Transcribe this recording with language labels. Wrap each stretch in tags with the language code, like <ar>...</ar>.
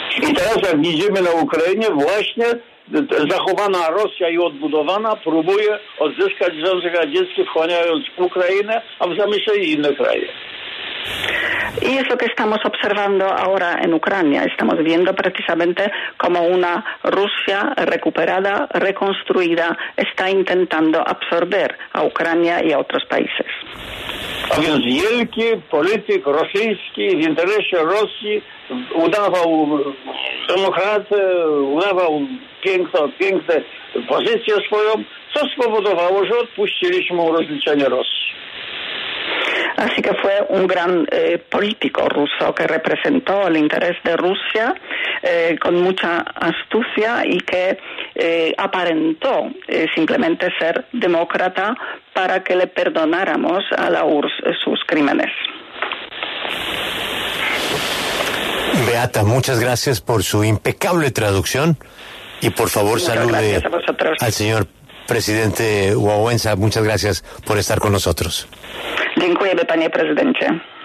<pl>I teraz jak widzimy na Ukrainie, właśnie zachowana Rosja i odbudowana próbuje odzyskać Związek Radziecki, wchłaniając Ukrainę, a w zamyśle i inne kraje.</pl> <es>Y es lo que estamos observando ahora en Ucrania. Estamos viendo precisamente cómo una Rusia recuperada, reconstruida, está intentando absorber a Ucrania y a otros países.</es> <pl>A więc wielki polityk rosyjski w interesie Rosji udawał demokratę, udawał piękne pozycję swoją, co spowodowało, że odpuściliśmy rozliczenie Rosji.</pl> <es>Así que fue un gran político ruso que representó el interés de Rusia con mucha astucia y que aparentó simplemente ser demócrata para que le perdonáramos a la URSS sus crímenes. Beata, muchas gracias por su impecable traducción y por favor salude al señor presidente Wałęsa. Muchas gracias por estar con nosotros.</es> <pl>Dziękujemy, panie prezydencie.</pl>